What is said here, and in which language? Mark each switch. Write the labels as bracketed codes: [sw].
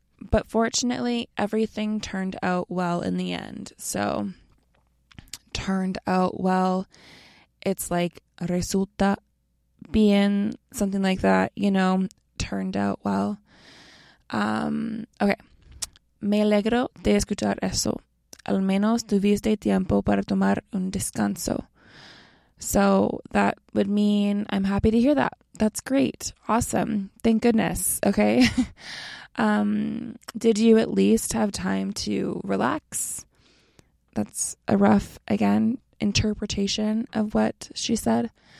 [en] But fortunately, everything turned out well in the end. So, turned out well, it's like [es] resulta bien, [en] something like that, you know, turned out well. [es] Okay. Me alegro de escuchar eso. Al menos tuviste tiempo para tomar un descanso. [en] So, that would mean I'm happy to hear that. That's great. Awesome. Thank goodness. Okay. did you at least have time to relax? That's a rough, again, interpretation of what she said.